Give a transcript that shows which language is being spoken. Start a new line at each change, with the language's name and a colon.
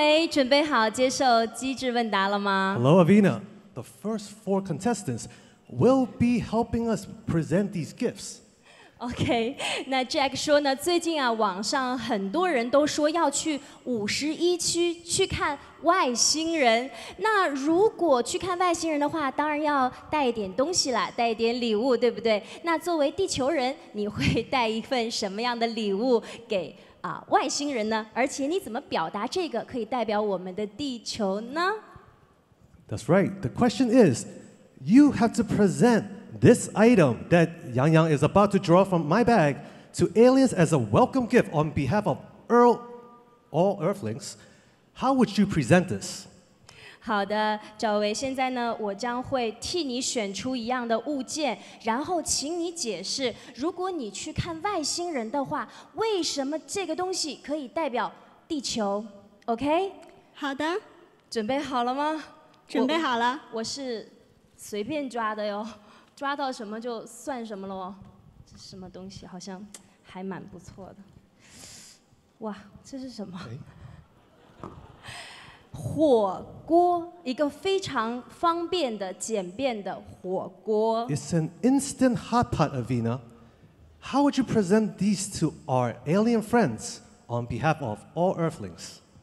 Chinese: 准备好接受机智问答了吗？
English: Hello, Avina. The first four contestants will be helping us present these gifts.
Chinese: Okay, 那 Jack 说呢，最近啊，网上很多人都说要去51区去看外星人。那如果去看外星人的话，当然要带一点东西了，带一点礼物，对不对？那作为地球人，你会带一份什么样的礼物给外星人呢？而且你怎么表达这个可以代表我们的地球呢？
English: That's right. The question is, you have to present this item that Yang Yang is about to draw from my bag to aliens as a welcome gift on behalf of all Earthlings. How would you present this?
Chinese: 好的，赵薇，现在呢，我将会替你选出一样的物件，然后请你解释，如果你去看外星人的话，为什么这个东西可以代表地球 ？OK？好的，准备好了吗？准备好了。我是随便抓的哟，抓到什么就算什么了哦。这什么东西？好像还蛮不错的。哇，这是什么？火锅，一个非常方便的、简便的火锅。
English: It's an instant hot pot, Avina. How would you present these to our alien friends on behalf of all Earthlings?